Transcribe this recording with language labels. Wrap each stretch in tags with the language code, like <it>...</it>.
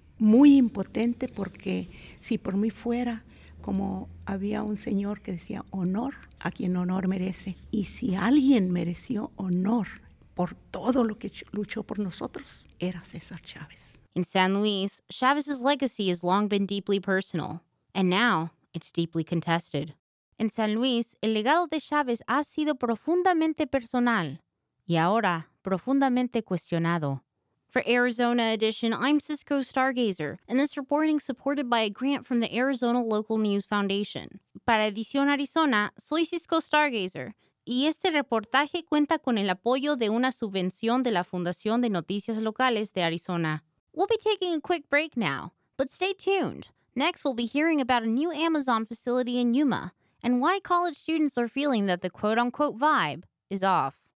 <es>Muy impotente porque si por mí fuera, como había un señor que decía honor a quien honor merece. Y si alguien mereció honor por todo lo que luchó por nosotros, era César Chávez.</es> <en>In San Luis, Chávez's legacy has long been deeply personal. And now, it's deeply contested. In San Luis,</en> <es>el legado de Chávez ha sido profundamente personal. Y ahora, profundamente cuestionado.</es> <en>For Arizona Edition, I'm Cisco Stargazer, and this reporting supported by a grant from the Arizona Local News Foundation.</en> <es>Para Edición Arizona, soy Cisco Stargazer, y este reportaje cuenta con el apoyo de una subvención de la Fundación de Noticias Locales de Arizona.</es> <en>We'll be taking a quick break now, but stay tuned. Next, we'll be hearing about a new Amazon facility in Yuma, and why college students are feeling that the quote-unquote vibe is off.</en>